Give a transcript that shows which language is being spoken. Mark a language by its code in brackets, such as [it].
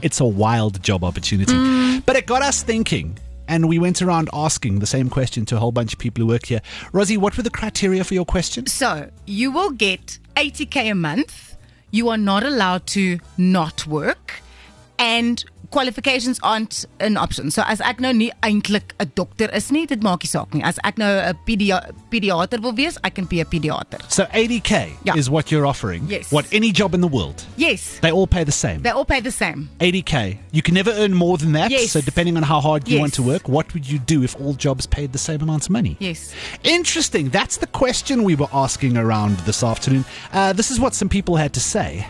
[en] It's a wild job opportunity. But it got us thinking, and we went around asking the same question to a whole bunch of people who work here. Rosie, what were the criteria for your question? So, you will get 80K a month. You are not allowed to not work. And qualifications aren't an option. [af] So as ek nou nie eintlik 'n dokter is nie, dit maak nie saak nie. As ek nou 'n pediater wil wees, [en] I can be a pediater. So 80K is what you're offering. Yes. What any job in the world. Yes. They all pay the same. They all pay the same. 80K. You can never earn more than that. Yes. So depending on how hard you want to work, what would you do if all jobs paid the same amount of money? Yes. Interesting. That's the question we were asking around this afternoon. This is what some people had to say.